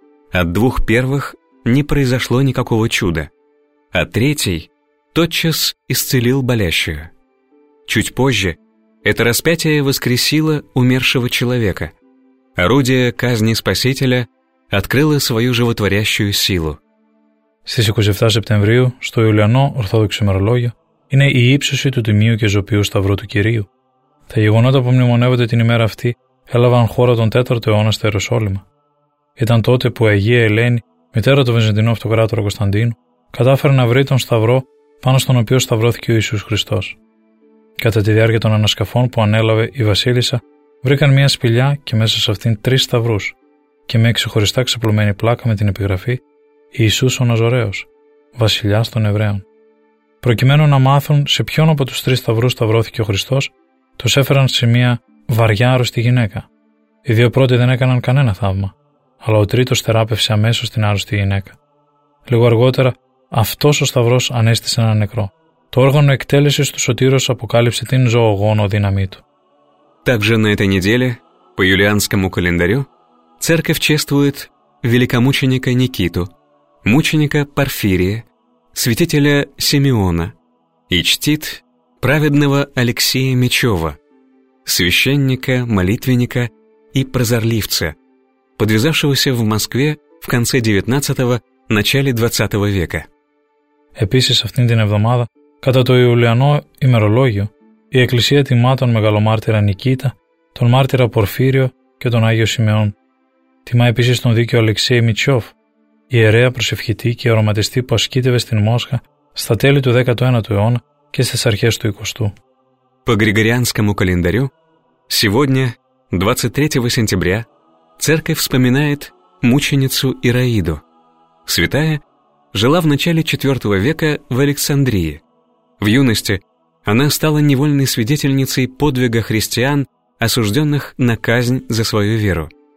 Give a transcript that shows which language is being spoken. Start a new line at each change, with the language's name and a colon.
Russian: От двух первых не произошло никакого чуда, а третий тотчас исцелил болящую. Чуть позже это распятие воскресило умершего человека. Орудие казни Спасителя открыло свою животворящую силу.
Greek: Στις 27 Σεπτεμβρίου, στο Ιουλιανό Ορθόδοξο ημερολόγιο, είναι η ύψωση του Τιμίου και Ζωπίου Σταυρού του Κυρίου. Τα γεγονότα που μνημονεύονται την ημέρα αυτή έλαβαν χώρα τον 4ο αιώνα στο Ιεροσόλυμα. Ήταν τότε που η Αγία Ελένη, μητέρα του Βυζαντινού Αυτοκράτορα Κωνσταντίνου, κατάφερε να βρει τον Σταυρό πάνω στον οποίο σταυρώθηκε ο Ιησούς Χριστός. Κατά τη διάρκεια των ανασκαφών που ανέλαβε η Βασίλισσα, βρήκαν μία σπηλιά και μέσα σε αυτήν τρεις σταυρούς και μία ξεχωριστά ξαπλωμένη πλάκα με την επιγραφή «Ιησούς ο Ναζωραίος, βασιλιάς των Εβραίων». Προκειμένου να μάθουν σε ποιον από τους τρεις σταυρούς σταυρώθηκε ο Χριστός, τους έφεραν σε μία βαριά άρρωστη γυναίκα. Οι δύο πρώτοι δεν έκαναν κανένα θαύμα, αλλά ο τρίτος θεράπευσε αμέσως την άρρωστη γυναίκα. Λίγο αργότερα, αυτός ο σταυρός ανέστησε ένα νεκρό. Το όργανο εκτέλεσης του Σωτήρος αποκάλυψε την ζωογόνο δύναμή του.
Russian: Также на этой неделе, по юлианскому календарю, церковь чествует великомученика Никиту, мученика Порфирия, святителя Симеона и чтит праведного Алексея Мечева, священника, молитвенника и прозорливца, подвязавшегося в Москве в конце 19-го, начале 20-го века.
Greek: Επίσης, αυτήν την εβδομάδα, κατά το Ιουλιανό ημερολόγιο, η Εκκλησία τιμά τον μεγαλομάρτυρα Νικήτα, τον μάρτυρα Πορφύριο και τον Άγιο Σιμεών. Τιμά επίσης τον δίκαιο Αλεξέη Μητσιόφ, ιερέα προσευχητή και αρωματιστή που ασκήτευε στην Μόσχα στα τέλη του 19ου αιώνα και στις αρχές του 20ου.
Russian: По Григорианскому календарю, сегодня, 23 сентября, церковь вспоминает мученицу Ираиду. Святая жила в начале 4 века в Александрии. В юности она стала невольной свидетельницей подвига христиан, осужденных на казнь за свою веру.